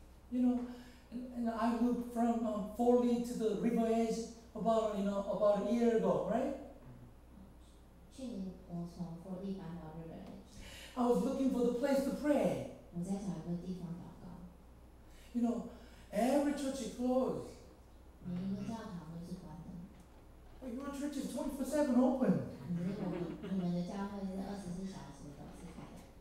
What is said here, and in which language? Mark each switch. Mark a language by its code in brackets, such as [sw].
[en] And I moved from Foley to the River Edge about a year ago, right? [zh] 去年我从佛利搬到 River Edge. [en] I was looking for the place to pray. [zh] 我在找一个地方祷告。 [en] You know, every church is closed. [zh] 每一个教堂都是关的。 [en] But your church is 24/7 open. [zh] 你们的教会是24小时都是开的。